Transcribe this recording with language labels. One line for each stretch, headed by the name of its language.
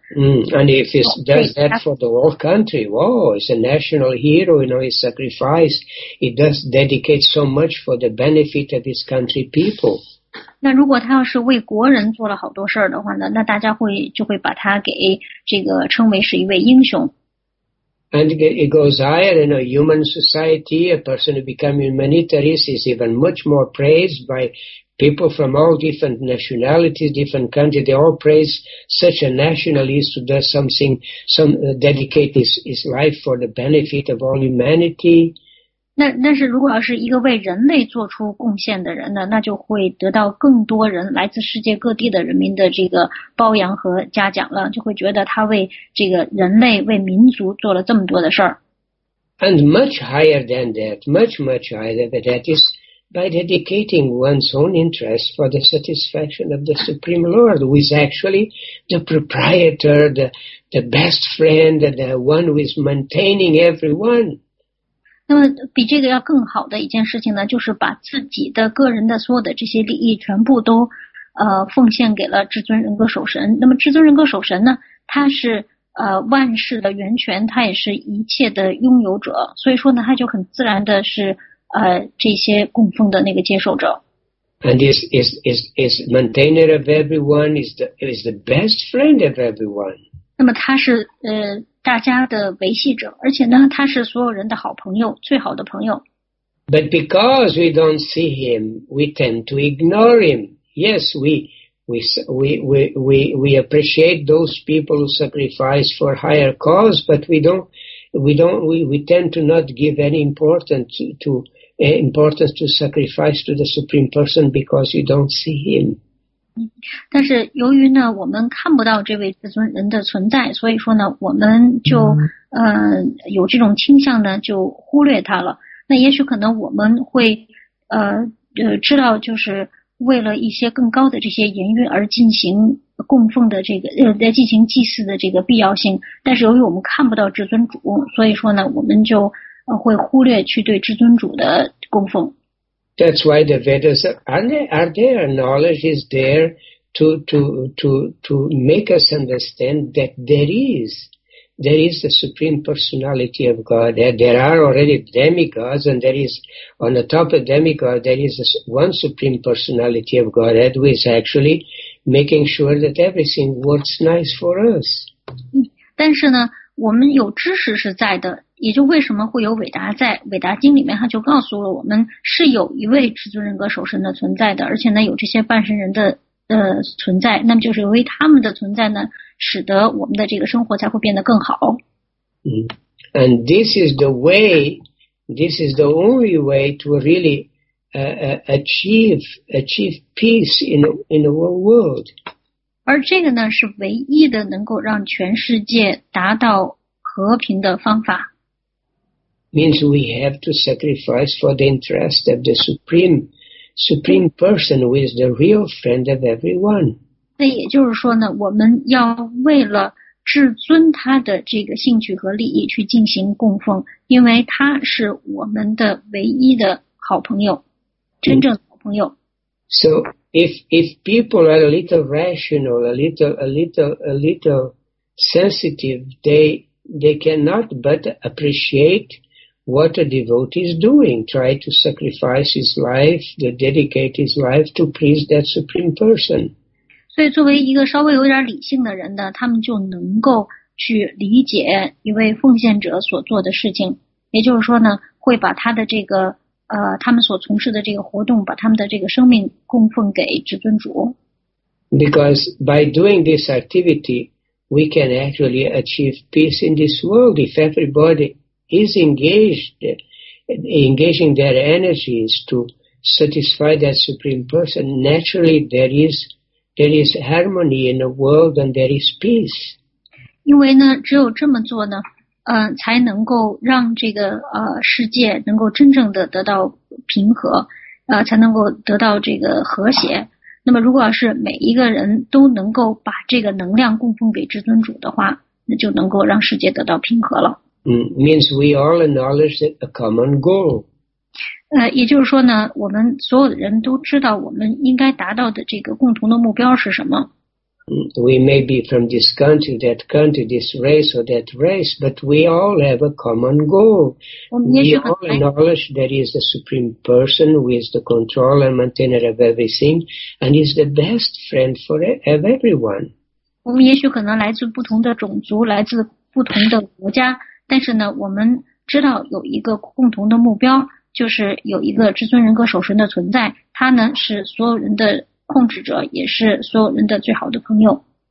English: And if he does that for the whole country, wow, it's a national hero, you know, he sacrificed, he does dedicate so much for the benefit of his country people.
Chinese: 那如果他要是为国人做了好多事儿的话呢，那大家就会把他给这个称为是一位英雄。
English: And it goes higher in a human society. A person who becomes humanitarian is even much more praised by people from all different nationalities, different countries. They all praise such a nationalist who does something, dedicate his life for the benefit of all humanity.
Chinese: 但是如果要是一个为人类做出贡献的人呢，那就会得到更多人来自世界各地的人民的这个褒扬和嘉奖了，就会觉得他为这个人类为民族做了这么多的事儿。
English: And much higher than that, much higher than that is by dedicating one's own interest for the satisfaction of the Supreme Lord, who is actually the proprietor, the best friend, the one who is maintaining everyone.
Chinese: 那么比这个要更好的一件事情呢，就是把自己的个人的所有的这些利益全部都奉献给了至尊人格守神。那么至尊人格守神呢，他是万事的源泉，他也是一切的拥有者，所以说呢，他就很自然的是这些供奉的那个接受者。
English: And is maintainer of everyone, is the best friend of everyone.
Chinese: 那么他是大家的维系者，而且呢，他是所有人的好朋友，最好的朋友。
English: But because we don't see him, we tend to ignore him. Yes, we appreciate those people who sacrifice for higher cause, but we tend to not give any importance to sacrifice to the Supreme Person because you don't see him.
Chinese: 但是由于呢，我们看不到这位至尊人的存在，所以说呢，我们就有这种倾向呢，就忽略他了。那也许可能我们会知道，就是为了一些更高的这些原因而进行供奉的这个在进行祭祀的这个必要性。但是由于我们看不到至尊主，所以说呢，我们就会忽略去对至尊主的供奉。
English: That's why the Vedas are there. Knowledge is there to make us understand that there is the Supreme Personality of God. There are already demigods, and there is on the top of demigod there is one Supreme Personality of God who is actually making sure that everything works nice for us.
Chinese: 但是呢，我们有知识是在的。也就为什么会有伟达，在伟达经里面他就告诉了我们是有一位至尊人格守神的存在的，而且呢有这些半神人的存在，那么就是由于他们的存在呢，使得我们的这个生活才会变得更好。
English: And this is the way, this is the only way to really achieve peace in the whole world.
Chinese: 而这个呢是唯一的能够让全世界达到和平的方法。
English: Means we have to sacrifice for the interest of the supreme person who is the real friend of everyone.
Chinese: 那也就是说呢，我们要为了至尊他的这个兴趣和利益去进行供奉，因为他是我们的唯一的好朋友，真正的好朋友。
English: So if people are a little rational, a little sensitive, they cannot but appreciate what a devotee is doing, try to sacrifice his life, to dedicate his life to please that supreme person.
Chinese: 所以作为一个稍微有点理性的人呢，他们就能够去理解一位奉献者所做的事情，也就是说呢，会把他的这个他们所从事的这个活动，把他们的这个生命供奉给至尊主。
English: Because by doing this activity, we can actually achieve peace in this world if everybody is engaging their energies to satisfy that supreme person. Naturally, there is harmony in the world, and there is peace.
Chinese: 因为呢，只有这么做呢，才能够让这个世界能够真正的得到平和，才能够得到这个和谐。那么，如果要是每一个人都能够把这个能量供奉给至尊主的话，那就能够让世界得到平和了。
English: Means we all acknowledge a common goal.
Chinese: 也就是说呢，我们所有的人都知道我们应该达到的这个共同的目标是什么。
English: We may be from this country, that country, this race or that race, but we all have a common goal. We all acknowledge that he is the supreme person who is the controller and maintainer of everything and is the best friend of everyone.
Chinese: 我们也许可能来自不同的种族，来自不同的国家。但是呢，我们知道有一个共同的目标，就是有一个至尊人格守神的存在，他呢是所有人的控制者，也是所有人的最好的朋友。